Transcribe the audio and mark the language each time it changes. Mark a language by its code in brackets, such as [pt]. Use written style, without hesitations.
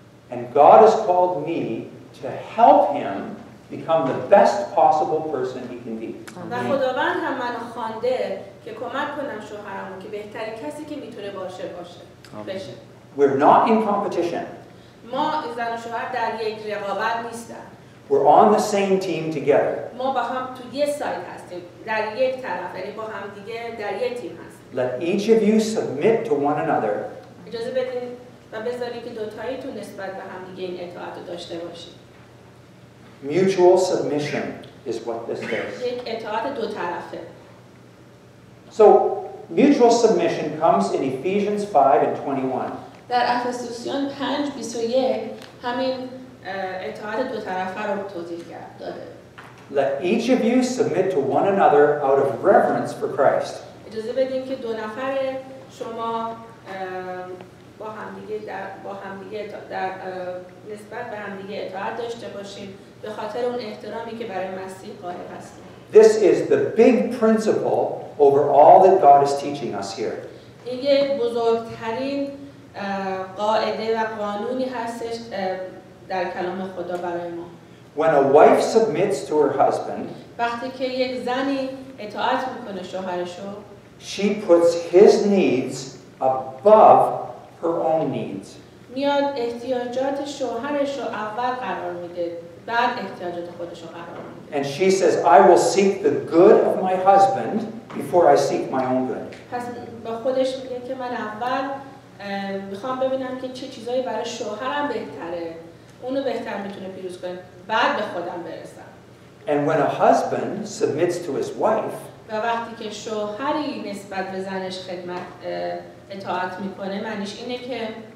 [en] And God has called me to help him become the best possible person he can be. [fa] و خداوند هم من خوانده که کمک کنم شوهرمو که بهترین کسی که میتونه باشه باشه. [en] We're not in competition. [fa] ما زن و شوهر در یک رقابت نیستن. [en] We're on the same team together. [fa] ما با هم تو یه سایت هستیم. در یک طرف یعنی با هم دیگه در یک تیم هستیم. [en] Let each of you submit to one another. [fa] اجازه بدین و بذارید که دو تاییتون نسبت به هم دیگه این اطاعت رو داشته باشید. [en] Mutual submission is what this is. [fa] یک اطاعت دو طرفه. [en] So, mutual submission comes in Ephesians 5:21. [fa] در افسوسیان 5:21 همین اطاعت دو طرفه رو توضیح داده. [en] Let each of you submit to one another out of reverence for Christ. [fa] اجازه بدیم که دو نفر شما با هم دیگه در نسبت به هم دیگه اطاعت داشته باشیم به خاطر اون احترامی که برای مسیح قائل هستیم. [en] This is the big principle over all that God is teaching us here. [fa] این یه بزرگترین قاعده و قانونی هستش در کلام خدا برای ما. [en] When a wife submits to her husband, [fa] وقتی که یک زنی اطاعت میکنه شوهرشو, [en] She puts his needs above her own needs. [fa] میاد احتیاجات شوهرش رو اول قرار میده بعد احتیاجات خودش رو قرار میده. [en] And she says, I will seek the good of my husband before I seek my own good. [fa] پس با خودش میگه که من اول میخوام ببینم که چه چیزایی برای شوهرم بهتره. اونو بهتر میتونه پیروز کنه بعد به خودم برسم. [en] And when a husband submits to his wife, [fa] و وقتی که شوهری نسبت به زنش خدمت اطاعت میکنه معنیش اینه که